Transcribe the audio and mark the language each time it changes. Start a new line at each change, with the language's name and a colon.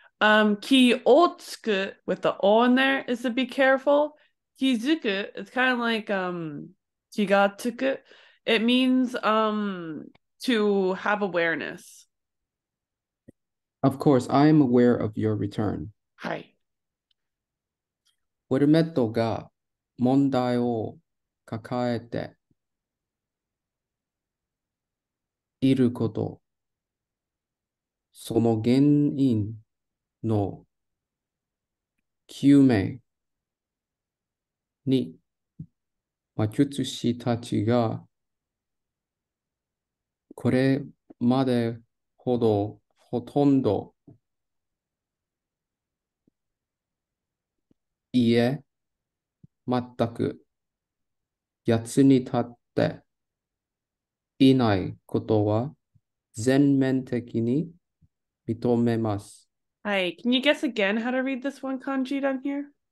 English: Ki otsuku with the O in there is to be careful. Kizuku, it's kind of like kigatsuku. It means to have awareness. Of course, I am aware of your return. Hi.
Japanese: ウェルメットが問題を抱えていること。その原因の究明に魔術師たちがこれまでほとんど全く役に立っていないことは全面的に認めます。
English: Hi, can you guess again how to read this one kanji down here?